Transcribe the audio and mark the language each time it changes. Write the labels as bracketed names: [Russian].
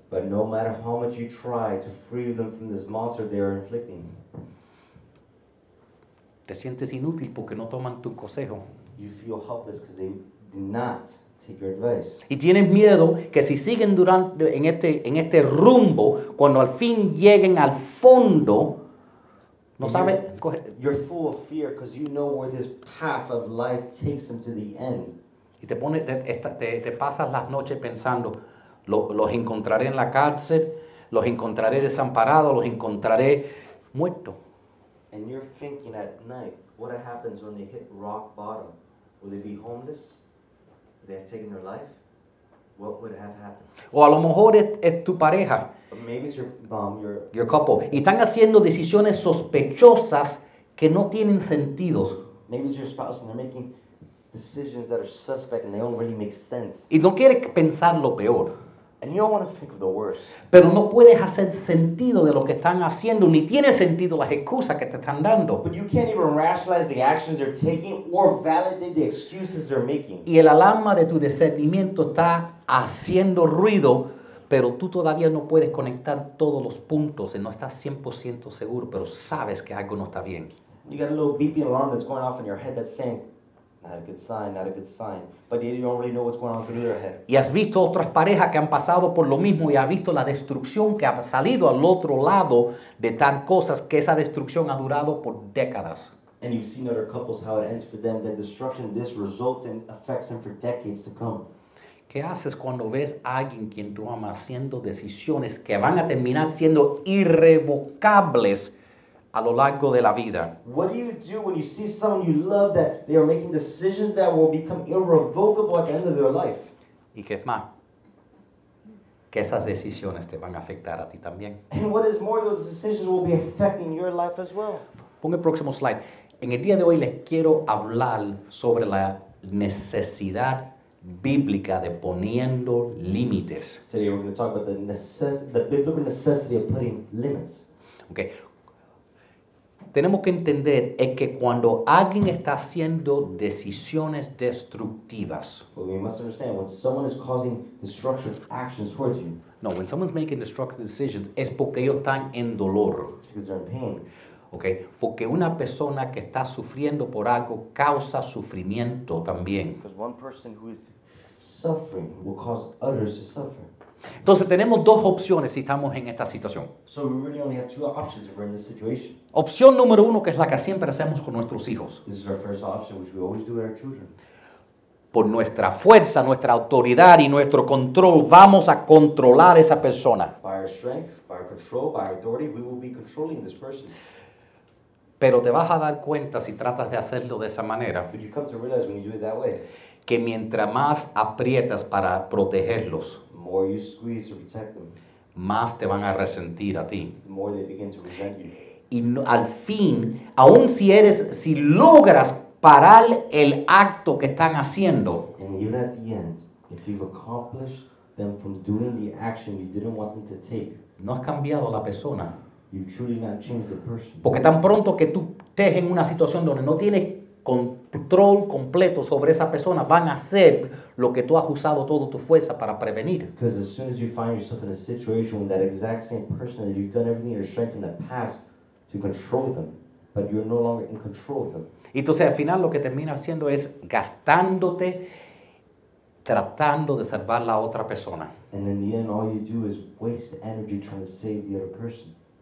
[English] but no matter how much you try to free them from this monster they are inflicting, [Spanish] te sientes inútil porque no toman tu consejo. [English] You feel helpless because they did not take your advice. [Spanish] Y tienes miedo que si siguen durante en este rumbo, cuando al fin lleguen al fondo, no sabes. [English] You're full of fear because you know where this path of life takes them to the end. [Spanish] Y te pasas las noches pensando, los encontraré en la cárcel, los encontraré desamparados, los encontraré muertos. [English] And you're thinking at night, what happens when they hit rock bottom? Will they be homeless? They have taken their life? What would have happened? [Spanish] O a lo mejor es tu pareja. [English] Maybe it's your couple. [Spanish] Y están haciendo decisiones sospechosas que no tienen sentido. [English] Maybe it's your spouse and they're making decisions that are suspect and they don't really make sense. [Spanish] Y no quieres pensar lo peor. [English] And you don't want to think of the worst. [Spanish] Pero no puedes hacer sentido de lo que están haciendo ni tiene sentido las excusas que te están dando. [English] But you can't even rationalize the actions they're taking or validate the excuses they're making. [Spanish] Y el alarma de tu discernimiento está haciendo ruido, pero tú todavía no puedes conectar todos los puntos y no estás 100% seguro, pero sabes que algo no está bien. [English] You got a little beeping alarm that's going off in your head that's saying, Not a good sign, not a good sign. But you don't really know what's going on through their head. [Spanish] Y has visto otras parejas que han pasado por lo mismo y ha visto la destrucción que ha salido al otro lado de tan cosas que esa destrucción ha durado por décadas. [English] And you've seen other couples how it ends for them, that destruction, this results and affects them for decades to come. [Spanish] ¿Qué haces cuando ves a alguien quien tú amas haciendo decisiones que van a terminar siendo irrevocables a lo largo de la vida? [English] What do you do when you see someone you love that they are making decisions that will become irrevocable at the end of their life? [Spanish] Y qué es más, que esas decisiones te van a afectar a ti también. [English] And what is more, those decisions will be affecting your life as well. [Spanish] Pon el próximo slide. En el día de hoy les quiero hablar sobre la necesidad bíblica de poniendo límites. [English] Today we're going to talk about the biblical necessity of putting limits. Okay. [Spanish] Tenemos que entender es que cuando alguien está haciendo decisiones destructivas. [English] Well, we must understand when someone is causing destructive actions towards you. No, when someone's making destructive decisions, [Spanish] es porque ellos están en dolor. [English] It's because they're in pain. Okay. [Spanish] Porque una persona que está sufriendo por algo causa sufrimiento también. [English] Because one person who is suffering will cause others to suffer. [Spanish] Entonces tenemos dos opciones si estamos en esta situación. [English] So we really only have two options if we're in this situation. [Spanish] Opción número uno, que es la que siempre hacemos con nuestros hijos. [English] This is our first option, which we always do with our children. [Spanish] Por nuestra fuerza, nuestra autoridad y nuestro control, vamos a controlar a esa persona. [English] By our strength, by our control, by our authority, we will be controlling this person. [Spanish] Pero te vas a dar cuenta si tratas de hacerlo de esa manera. [English] But you come to realize when you do it that way. [Spanish] Que mientras más aprietas para protegerlos, [English] more you squeeze to protect them, [Spanish] más te van a resentir a ti. [English] The more they begin to resent you. [Spanish] Y no, al fin, aun si eres, si logras parar el acto que están haciendo, [English] and even at the end, if you've accomplished them from doing the action you didn't want them to take, [Spanish] no has cambiado la persona. [English] You've truly not changed the person. [Spanish] Porque tan pronto que tú estés en una situación donde no tienes control completo sobre esa persona, van a hacer lo que tú has usado toda tu fuerza para prevenir. [English] Because as soon as you find yourself in a situation with that exact same person that you've done everything in your strength in the past to control them, but you're no longer in control of them. [Spanish] Y entonces al final lo que termina haciendo es gastándote tratando de salvar la otra persona. [English] And in the end, all you do is waste energy trying to save the other person.